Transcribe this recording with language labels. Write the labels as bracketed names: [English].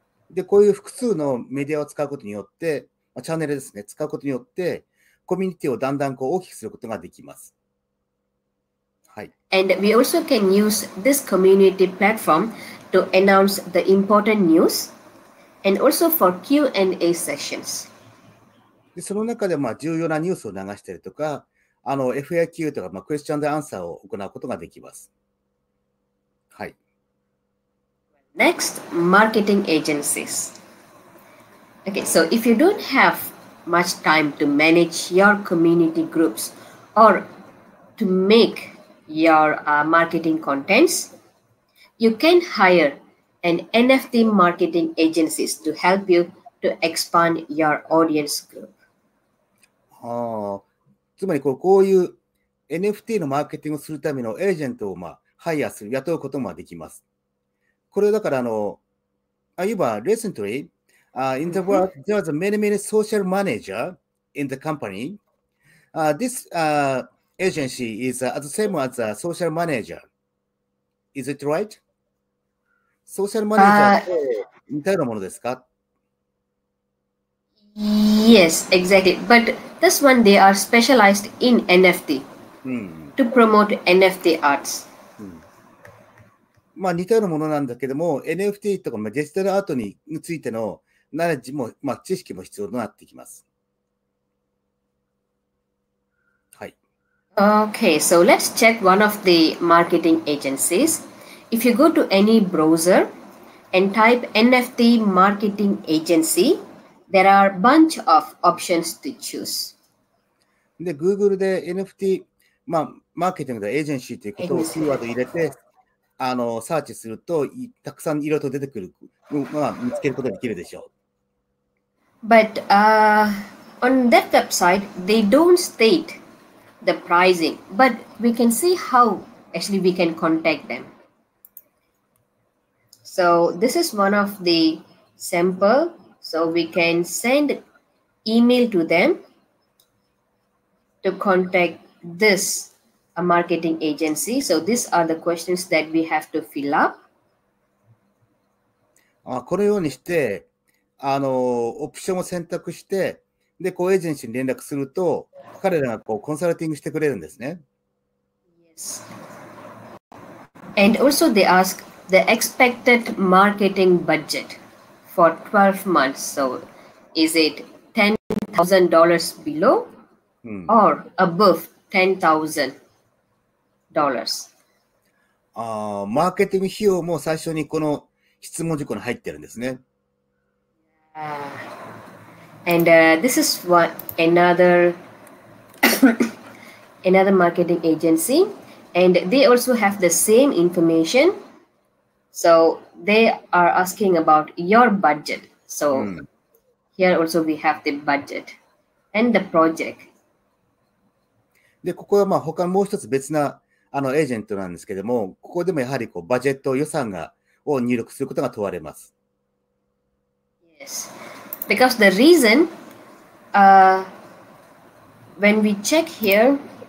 [Japanese] で、こういう複数のメディアを使うことによって、まあ、チャンネルですね、使うことによってコミュニティをだんだんこう大きくすることができます。はい。 [English] And we also can use this community platform to announce the important news and also for Q&A sessions. [Japanese] でその中でまあ重要なニュースを流したりとか、あの FAQ とかまあクエスチョンでアンサーを行うことができます。はい。 [English] Next, marketing agencies. Okay, so if you don't have much time to manage your community groups or to make your marketing contents, you can hire an NFT marketing agency to help you to expand your audience group. [Japanese] つまりこういう NFT のマーケティングをするためのエージェントをまあハイヤーする、雇うこともできます。これだからあの、 [English] Uva, recently, in the world, there was many social manager in the company. This agency is the same as a social manager. Is it right? Social manager [Japanese] みたいなものですか？ [English] Yes, exactly. But this one, they are specialized in NFT、to promote NFT arts.、 [Japanese] まあ似たようなものなんだけども、NFT とかデジタルアートについてのナレッジも、まあ、知識も必要になってきます。はい。 [English] Okay, so let's check one of the marketing agencies. If you go to any browser and type NFT marketing agency,There are a bunch of options to choose. [Japanese] で、Google で NFT、まあ、マーケティングでエージェンシーということをキーワード入れて、あの、サーチすると、たくさん色々と出てくるのが、まあ、見つけることができるでしょう。 [English] But, on that website, they don't state the pricing, but we can see how actually we can contact them. So, this is one of the sample. So we can send email to them to contact this a marketing agency. So these are the questions that we have to fill up. [Japanese] このようにしてあのオプションを選択してでこうエージェンシーに連絡すると彼らがこうコンサルティングしてくれるんですね。 [English] Yes. And also they ask the expected marketing budget. For 12 months, so is it $10,000 below、or above $10,000? [Japanese] マーケティング費用も最初にこの質問事項に入ってるんですね。 [English] And this is what another marketing agency, and they also have the same information. So they are asking about your budget. So、here also we have the budget and the project. [Japanese] で、ここはまあ他もう一つ別なあのエージェントなんですけども、ここでもやはりこうバジェット予算がを入力することが問われます。 [English] Yes, because the reason, when we check here.